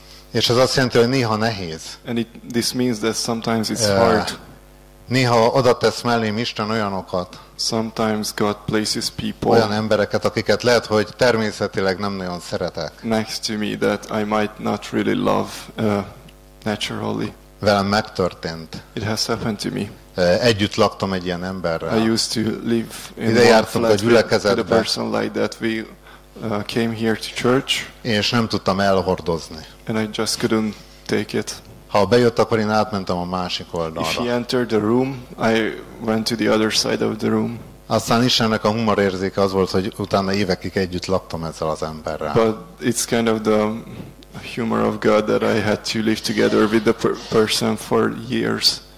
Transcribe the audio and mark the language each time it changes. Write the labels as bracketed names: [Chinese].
[Hungarian] És ez azt jelenti, hogy néha nehéz. [English] And this means that sometimes it's hard. [Hungarian] Néha oda tesz mellém Isten olyanokat. [English] Sometimes God places people. [Hungarian] Olyan embereket, akiket lehet, hogy természetileg nem nagyon szeretek. [English] Next to me that I might not really love naturally. [Hungarian] Velem megtörtént. [English] It has happened to me. [Hungarian] Együtt laktam egy ilyen emberrel. [English] I used to live in one flat with a person like that. We came here to church. [Hungarian] És nem tudtam elhordozni. [English] And I just couldn't take it. [Hungarian] Ha bejött, akkor én átmentem a másik oldalra. [English] If he entered the room, I went to the other side of the room. [Hungarian] Aztán Istennek a humor érzéke az volt, hogy utána évekig együtt laktam ezzel az emberrel. [English] But it's kind of the humor of God that I had to live together with the person for years.